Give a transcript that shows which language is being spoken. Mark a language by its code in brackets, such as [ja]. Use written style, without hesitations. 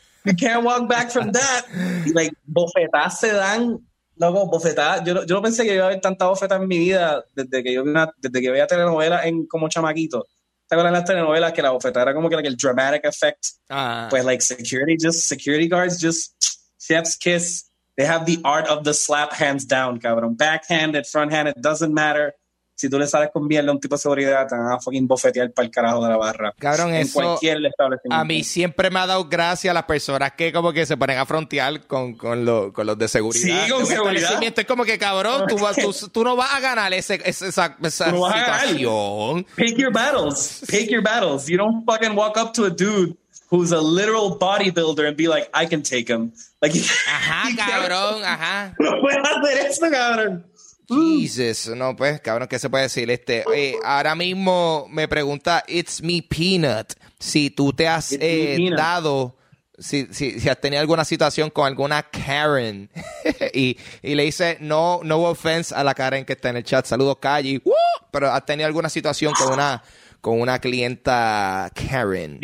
[en] You can't walk back from that. Y, like, [es] bofetadas se dan, loco, bofetadas. Yo no pensé que iba a haber tanta bofetada en mi vida desde que veía telenovela en como chamaquito. ¿Te acuerdas de las telenovelas que la bofetada era como que like, el dramatic effect? [en] Pues, like, security guards, chef's kiss. They have the art of the slap hands down, cabrón. Backhanded, fronthanded, doesn't matter. [es] Si tú le sales con mierda a un tipo de seguridad, te van a fucking bofetear para el carajo de la barra. Cabrón, en eso cualquier establecimiento. A mí siempre me ha dado gracia a las personas que como que se ponen a frontear con los de seguridad. Sí, con seguridad. Es como que, cabrón, tú no vas a ganar esa no situación. [en] Pick your battles. You don't fucking walk up to a dude who's a literal bodybuilder and be like, I can take him. Like, [es] ajá, cabrón, ajá. No puedes hacer eso, cabrón. Jesus, no, pues, cabrón, ¿qué se puede decir? Oye, ahora mismo me pregunta It's Me Peanut si tú te has dado, si has tenido alguna situación con alguna Karen y le dice [en] no offense [es] a la Karen que está en el chat, saludos Calle, pero ¿has tenido alguna situación con una clienta Karen?